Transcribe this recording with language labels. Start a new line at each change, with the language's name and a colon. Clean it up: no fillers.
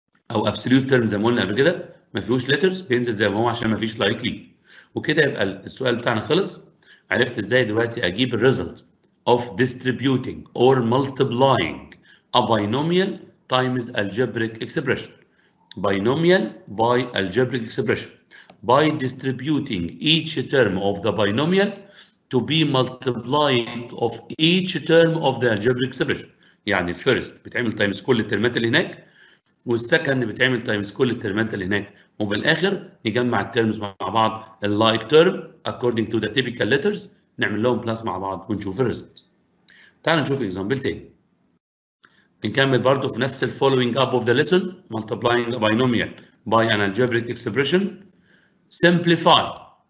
Arabic: او ابسوليوت تيرم زي ما قلنا قبل كده ما فيهوش ليترز بينزل زي ما هو عشان ما فيش لايك لي وكده يبقى السؤال بتاعنا خلص عرفت ازاي دلوقتي اجيب الريزلت
English: Of distributing or multiplying A binomial times algebraic expression. Binomial by algebraic expression. By distributing each term of the binomial to be multiplied of each term of the algebraic expression.
Arabic: يعني first بتعمل times كل الترمات اللي هناك والsecond بتعمل times كل الترمات اللي هناك وبالآخر نجمع الترمز مع بعض
English: like term according to the typical letters
Arabic: نعمل لهم plus مع بعض ونشوف الريزلت. تعال نشوف example تاني. نكمل برضو في نفس الـ
English: following up of the lesson multiplying a binomial by an algebraic expression simplify